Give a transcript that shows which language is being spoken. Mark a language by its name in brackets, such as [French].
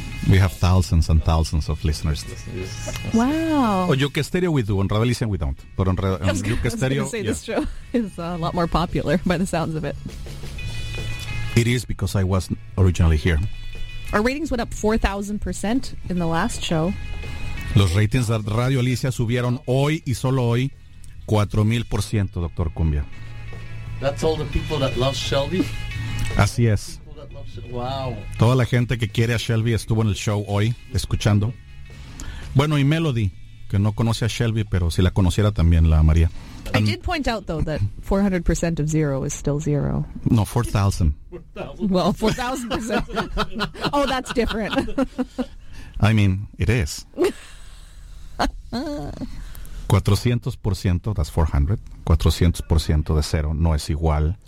[English] We have thousands and thousands of listeners. Wow. On Yukesterio we do. On Radio Alicia we don't. But on Yukesterio, I was going to say yeah. this show is a lot more popular by the sounds of it. It is because I was originally here. Our ratings went up 4,000% in the last show. [Spanish] Los ratings de Radio Alicia subieron hoy y solo hoy 4,000%, Dr. Cumbia. [English] That's all the people that love Shelby? [Spanish] Así es. [English] Wow. [Spanish] Toda la gente que quiere a Shelby estuvo en el show hoy, escuchando. Bueno, y Melody, que no conoce a Shelby, pero si la conociera también la amaría. [English] I did point out, though, that 400% of zero is still zero. No, 4,000. Well, 4,000%. Oh, that's different. I mean, it is. [Spanish] 400%, [English] that's 400. [Spanish] 400% de zero no es igual.